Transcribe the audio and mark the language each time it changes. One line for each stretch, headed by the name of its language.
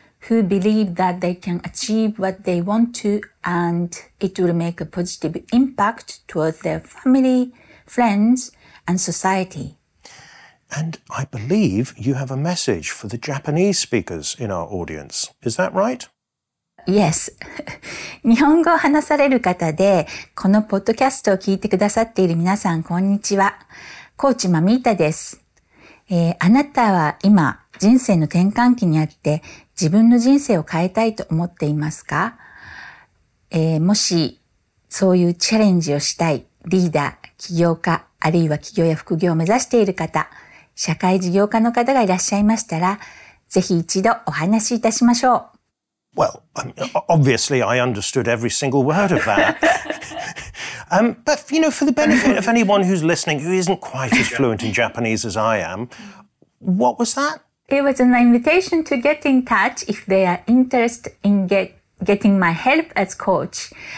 English: who believe that they can achieve what they want to and it will make a positive impact towards their family, friends, and society. And I believe you have a message for the Japanese speakers in our audience. Is that right? Yes.
Japanese: 日本語を話される方で、このポッドキャストを聞いてくださっている皆さん、こんにちは。コーチマミータです。あなたは今、人生の転換期にあって、自分の人生を変えたいと思っていますか？もし、そういうチャレンジをしたい、リーダー、起業家、あるいは起業や副業を目指している方、社会事業家の方がいらっしゃいましたら、ぜひ一度お話しいたしましょう。
English: Well, obviously, I understood every single word of that. But, you know, for the benefit of anyone who's listening who isn't quite as fluent in Japanese as I am, what was that? It was an invitation to get in touch if they are interested in getting my help as coach.